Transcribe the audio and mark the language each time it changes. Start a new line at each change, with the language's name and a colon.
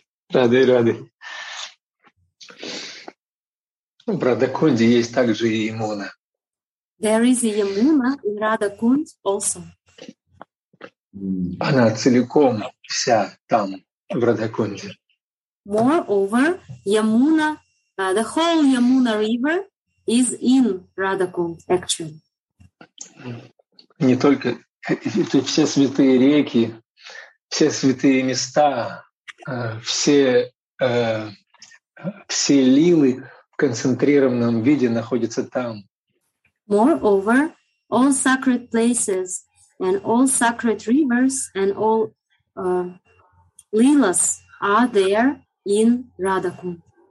Russian: Рады, рады. В Радхакунде есть также и Ямуна.
English: There is a Yamuna in Radhakund also.
Russian: Она целиком вся там, в Радхакунде.
English: Moreover, Yamuna, the whole Yamuna River is in Radhakund, actually.
Russian: Не только это все святые реки, все святые места, все лилы в концентрированном виде находятся там.
English: Moreover, all sacred places and all sacred rivers and all lilas are there in Radhakund.